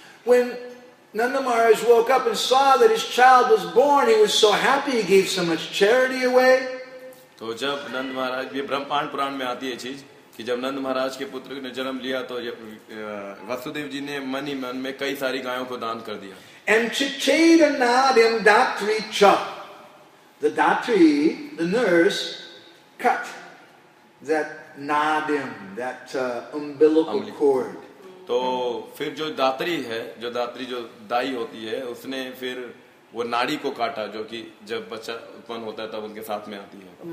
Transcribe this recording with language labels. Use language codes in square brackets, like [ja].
[en] When Nanda Maharaj woke up and saw that his child was born, he was so happy he gave so much charity away. [hi] तो जब नंद महाराज, ये ब्रह्मांड पुराण में आती है चीज कि जब नंद महाराज के पुत्र ने जन्म लिया तो वसुदेव जी ने मन ही मन में कई सारी गायों को दान कर दिया. [sa] And Chicheda Nadim Datri Cha. [en] The Datri, the nurse, cut that Nadim, that umbilical cord. [hi] तो फिर जो दात्री है, जो दात्री जो दाई होती है, उसने फिर वो नाड़ी को काटा जो कि जब बच्चा उत्पन्न होता है तब उनके साथ में आती है.